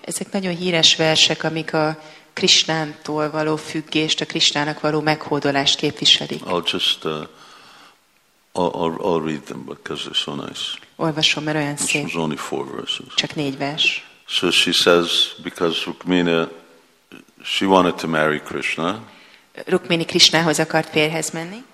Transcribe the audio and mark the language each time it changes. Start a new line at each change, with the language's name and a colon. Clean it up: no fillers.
Hungarian: Ezek nagyon híres versek, amik a Krishnától való függést, a Krishnának való meghódolást képviselik.
English: I'll read them because they're so nice.
Hungarian: Olvasom, mert olyan
English: This
Hungarian: szép.
English: Was only four verses.
Hungarian: Csak négy vers.
English: So she says, because Rukmini, she wanted to marry Krishna.
Hungarian: Rukmini Krishnához akart férjhez menni.